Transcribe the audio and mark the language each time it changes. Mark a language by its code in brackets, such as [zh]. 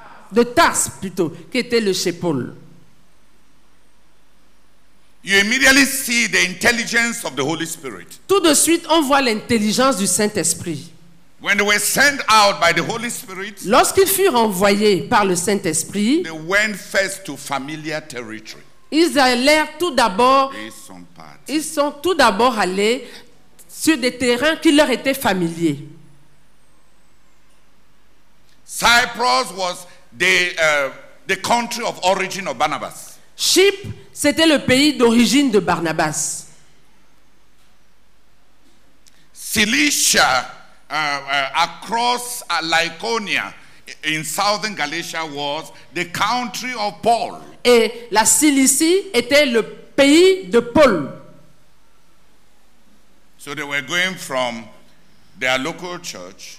[fr] De Tars plutôt, qui était le chef Paul. [en] You immediately see the intelligence of the Holy Spirit. [fr] Tout de suite, on voit l'intelligence du Saint-Esprit. [en] When they were sent out by the Holy Spirit, [fr] lorsqu'ils furent envoyés par le Saint-Esprit, [en] they went first to familiar territory. [fr] Ils allèrent tout d'abord. Ils sont tout d'abord allés sur des terrains qui leur étaient familiers. [en] Cyprus was the country of origin of Barnabas. [fr] Chypre, c'était le pays d'origine de Barnabas. [en] Cilicia, across Lyconia in southern Galatia, was the country of Paul. [fr] Et la Cilicie était le pays de Paul. [en] So they were going from their local church.